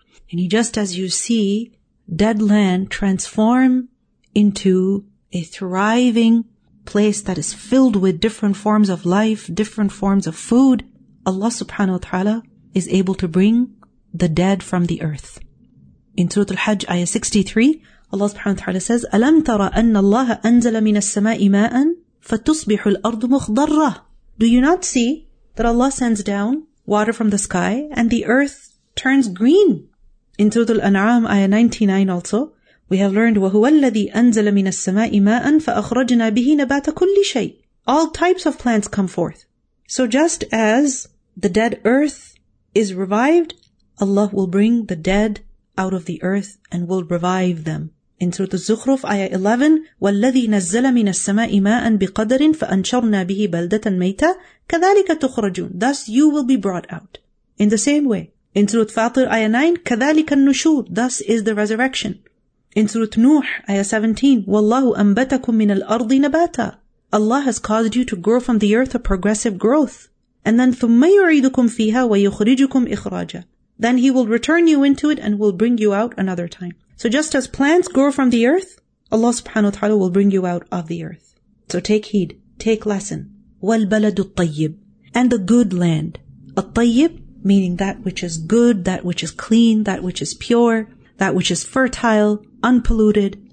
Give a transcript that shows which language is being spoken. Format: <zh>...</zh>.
<en>And just as you see dead land transform into a thriving place that is filled with different forms of life, different forms of food, Allah subhanahu wa ta'ala is able to bring the dead from the earth. In Surah Al-Hajj, Ayah 63, Allah subhanahu wa ta'ala says,</en> <ar>أَلَمْ تَرَ أَنَّ اللَّهَ أَنزَلَ مِنَ السَّمَاءِ مَاءً فَتُصْبِحُ الْأَرْضُ مُخْضَرَّةً.</ar> <en>Do you not see that Allah sends down water from the sky and the earth turns green? In Surah Al-An'am, Ayah 99 also, we have learned,</en> <ar>وَهُوَ الَّذِي أَنزَلَ مِنَ السَّمَاءِ مَاءً فَأَخْرَجْنَا بِهِ نَبَاتَ كُلِّ شَيْءٍ.</ar> <en>All types of plants come forth. So just as the dead earth is revived, Allah will bring the dead out of the earth and will revive them. In Surah Az-Zukhruf, Ayah 11,</en> <ar>وَالَّذِي نَزَّلَ مِنَ السَّمَاءِ مَاءً بِقَدَرٍ فَأَنْشَرْنَا بِهِ بَلْدَةً مَيْتًا كَذَلِكَ تُخْرَجُونَ.</ar> <en>Thus you will be brought out. In the same way, in Surah Fatir, Ayah 9,</en> <ar>كَذَلِكَ النُّشُورِ.</ar> <en>Thus is the resurrection. In Surah Nuh, Ayah 17,</en> <ar>وَاللَّهُ أَنْبَتَكُمْ مِنَ الْأَرْضِ نَبَاتًا.</ar> <en>Allah has caused you to grow from the earth a progressive growth. And then</en> <ar>ثُمَّ يُعِيدُكُمْ فِيهَا وَيُخْرِجُكُمْ إِخْرَاجًا.</ar> <en>Then he will return you into it and will bring you out another time. So just as plants grow from the earth, Allah subhanahu wa ta'ala will bring you out of the earth. So take heed, take lesson.</en> <ar>وَالْبَلَدُ الطَّيِّبُ.</ar> <en>And the good land. الطَّيِّبُ meaning that which is good, that which is clean, that which is pure, that which is fertile, unpolluted.</en>